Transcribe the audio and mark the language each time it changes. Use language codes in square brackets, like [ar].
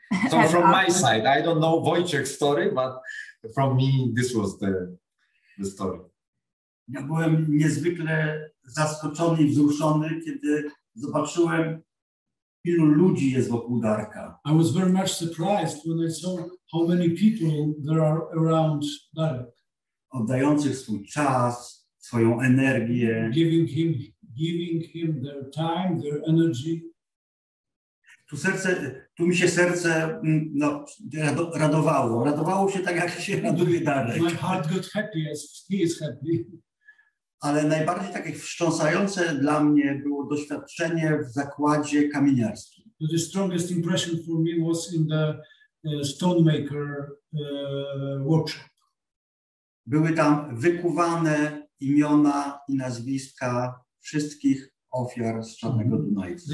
[en] So from my side, I don't know Wojciech's story, but from me, this was the story. [pl] Ja byłem niezwykle zaskoczony i wzruszony, kiedy zobaczyłem, ilu ludzi jest wokół Darka. [en] I was very much surprised when I saw how many people there are around Darek. [pl] Oddających swój czas, swoją energię. [en] Giving him their time, their energy. [pl] Tu mi się serce radowało. Radowało się tak, jak się raduje Darek. [en] My heart got happy as he is happy. [pl] Ale najbardziej takie wstrząsające dla mnie było doświadczenie w zakładzie kamieniarskim. [en] The strongest impression for me was in the stonemaker workshop. [pl] Były tam wykuwane imiona i nazwiska wszystkich ofiar z Czarnego Dunajca.